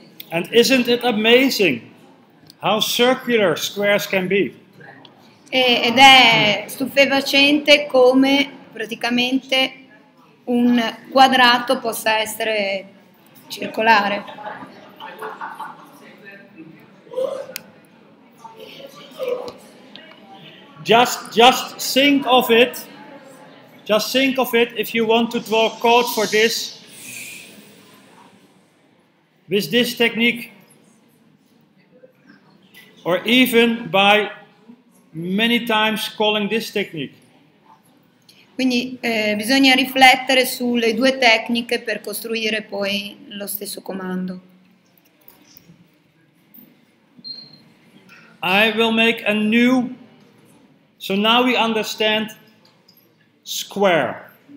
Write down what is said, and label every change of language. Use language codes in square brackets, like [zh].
[en] And isn't it amazing how circular squares can be? [it] Ed è stupefacente come praticamente un quadrato possa essere circolare. [en] Just think of it. Just think of it if you want to draw code for this. With this technique. Or even by many times calling this technique. [it] Quindi bisogna riflettere sulle due tecniche per costruire poi lo stesso comando. [en] I will make a new. So now we understand square.